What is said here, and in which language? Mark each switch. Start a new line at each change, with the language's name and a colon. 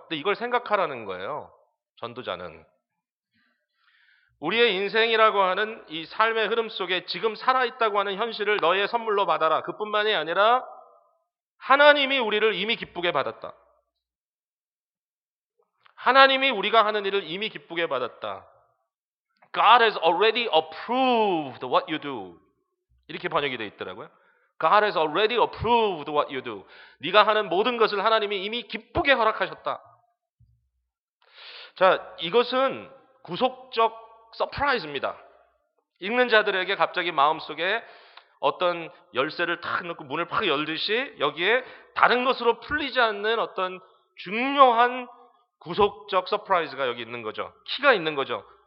Korean: 근데 이걸 생각하라는 거예요. 전도자는 우리의 인생이라고 하는 이 삶의 흐름 속에 지금 살아있다고 하는 현실을 너의 선물로 받아라. 그뿐만이 아니라 하나님이 우리를 이미 기쁘게 받았다. 하나님이 우리가 하는 일을 이미 기쁘게 받았다.
English: God has already approved what you do.
Korean: 이렇게 번역이 되어 있더라고요.
English: God has already approved what you do.
Korean: 네가 하는 모든 것을 하나님이 이미 기쁘게 허락하셨다. 자, 이것은 구속적 서프라이즈입니다. 읽는 자들에게 갑자기 마음속에 어떤 열쇠를 탁 넣고 문을 팍 열듯이 여기에 다른 것으로 풀리지 않는 어떤 중요한 구속적 서프라이즈가 여기 있는 거죠. 키가 있는 거죠.